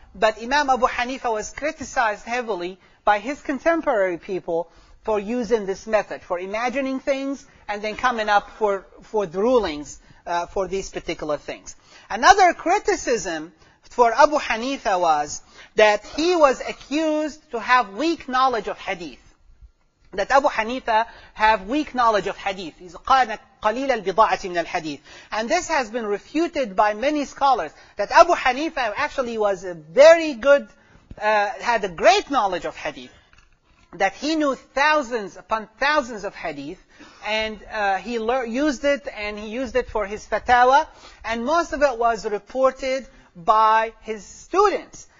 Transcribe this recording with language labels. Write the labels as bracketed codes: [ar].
[en] But Imam Abu Hanifa was criticized heavily by his contemporary people for using this method, for imagining things and then coming up for the rulings for these particular things. Another criticism for Abu Hanifa was that he was accused to have weak knowledge of hadith. That Abu Hanifa have weak knowledge of hadith. [ar] He's قَالَ قَلِيلَ الْبِضَاعَةِ مِنَ الْحَدِيثِ. [en] And this has been refuted by many scholars, that Abu Hanifa actually was a very good, had a great knowledge of hadith. That he knew thousands upon thousands of hadith, and he used it for his fatawa, and most of it was reported by his students.